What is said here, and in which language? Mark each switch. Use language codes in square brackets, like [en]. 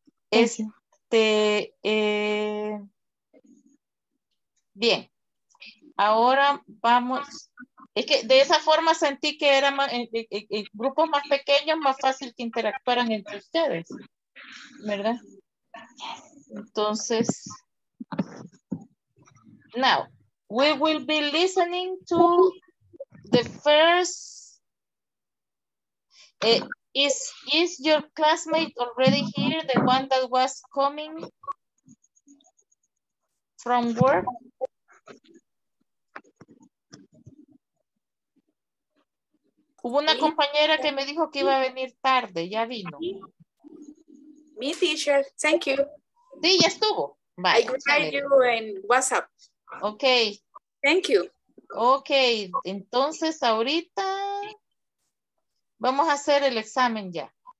[es] Este, bien, ahora vamos, es que de esa forma sentí que era más, el grupo más pequeño, más fácil que interactuaran entre ustedes, ¿verdad? [en] Entonces, now, we will be listening to the first, Is your classmate already here, the one that was coming from work? [es] Hubo una compañera que me dijo que iba a venir tarde, ya vino. [en] Me teacher, thank you. [es] Sí, ya estuvo. Bye. [en] I greet you in WhatsApp. Okay. Thank you. [es] Okay, entonces ahorita... Vamos a hacer el examen ya.